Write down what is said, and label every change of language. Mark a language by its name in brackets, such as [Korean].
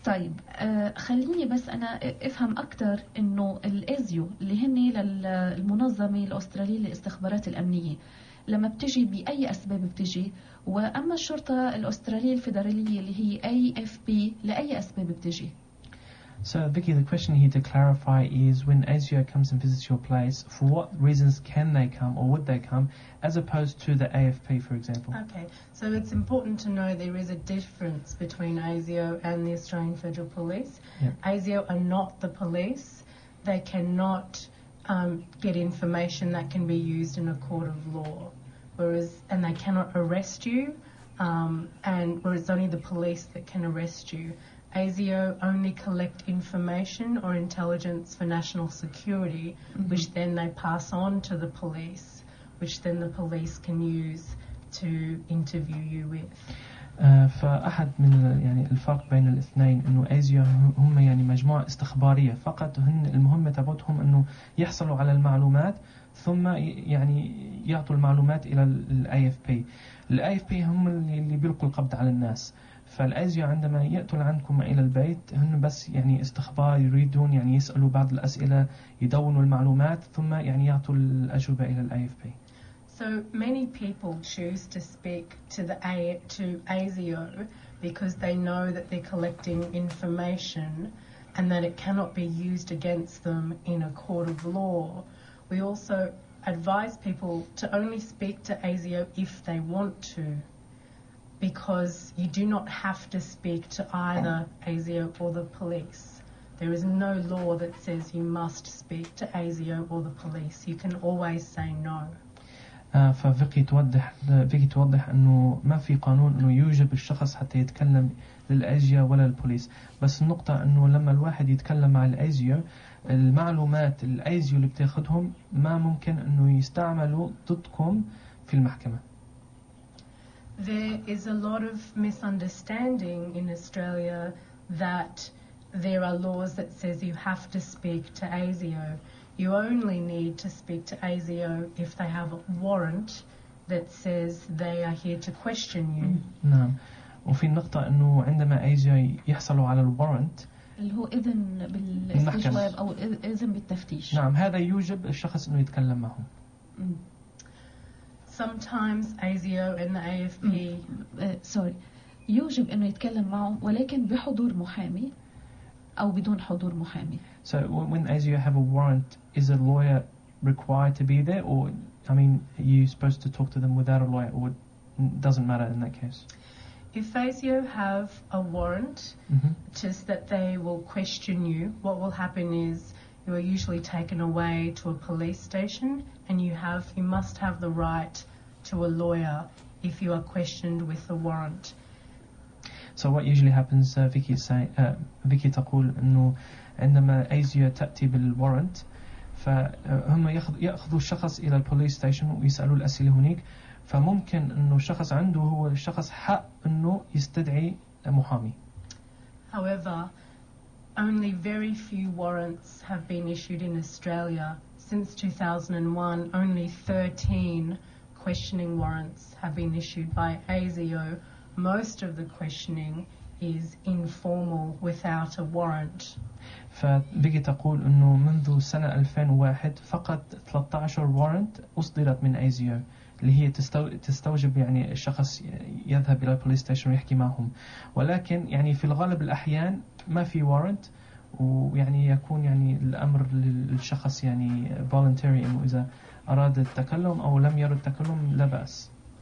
[Arabic] طيب خليني بس انا افهم اكتر انه الازيو اللي هني للمنظمة الاسترالية للاستخبارات الامنية لما بتجي بأي أسباب بتجي وأما الشرطة الأسترالية الفيدرالية اللي هي AFP لأي أسباب بتجي [English] So Vicky, the question here to clarify is when ASIO comes and visits your place, for what reasons can they come or would they come, as opposed to the AFP, for example? Okay, so it's important to know there is a difference between ASIO and the Australian Federal Police. Yeah. ASIO are not the police. They cannot... get information that can be used in a court of law, whereas and they cannot arrest you, and whereas only the police that can arrest you. ASIO only collect information or intelligence for national security, mm-hmm. which then they pass on to the police, which then the police can use to interview you with. [Arabic] فأحد من يعني الفرق بين الاثنين إنه ASIO هم يعني مجموعة استخبارية فقط هن المهمة تبعتهم إنه يحصلوا على المعلومات ثم يعني يعطوا المعلومات إلى الـ AFP AFP هم اللي بيلقوا القبض على الناس فالأزيو عندما يأتوا عندكم إلى البيت هن بس يعني استخبار يريدون يعني يسألوا بعض الأسئلة يدونوا المعلومات ثم يعني يعطوا الأجوبة إلى الـ AFP [English] So many people choose to speak to the to ASIO because they know that they're collecting information and that it cannot be used against them in a court of law. We also advise people to only speak to ASIO if they want to because you do not have to speak to either ASIO or the police. There is no law that says you must speak to ASIO or the police. You can always say no. [Arabic] ففيكي توضح فيكي توضح انه ما في قانون انه يوجب الشخص حتى يتكلم للأزيو ولا البوليس بس النقطة انه لما الواحد يتكلم مع الأزيو المعلومات الأزيو اللي بتاخدهم ما ممكن انه يستعملوا ضدكم في المحكمة [English] There is a lot of misunderstanding in Australia that there are laws that says you have to speak to ASIO You only need to speak to ASIO if they have a warrant that says they are here to question you. [Arabic] نعم. وفي النقطة إنه عندما ASIO يحصلوا على الوارنت اللي هو إذن بالاستجواب أو إذن بالتفتيش. نعم. هذا يوجب الشخص إنه يتكلم معهم. [English] Sometimes ASIO and the AFP. Sorry. [Arabic] يوجب إنه يتكلم معهم ولكن بحضور محامي. أو بدون حضور محامي. [English] So when ASIO have a warrant, is a lawyer required to be there, or I mean, are you supposed to talk to them without a lawyer, or doesn't matter in that case? If ASIO have a warrant, just that they will question you. What will happen is you are usually taken away to a police station, and you must have the right to a lawyer if you are questioned with a warrant. So what usually happens, Vicky is saying, [Arabic] Vicky تقول إنه عندما ASIO تأتي بالوارنت فهم يأخذوا الشخص إلى البوليس ستيشن ويسألوا الأسئلة هناك فممكن إنه الشخص عنده هو الشخص حق إنه يستدعي محامي. [English] However, only very few warrants have been issued in Australia since 2001. Only 13 questioning warrants have been issued by ASIO. Most of the questioning is informal without a warrant. [Arabic] فبيجي تقول إنه منذ سنة 2001 فقط 13 warrant أصدرت من ASIO اللي هي تستوجب يعني الشخص يذهب إلى البوليس ستيشن ويحكي معهم ولكن يعني في الغالب الأحيان ما في warrant ويعني يكون يعني الأمر للشخص يعني voluntary إنه إذا أراد التكلم أو لم يرد التكلم لا بأس.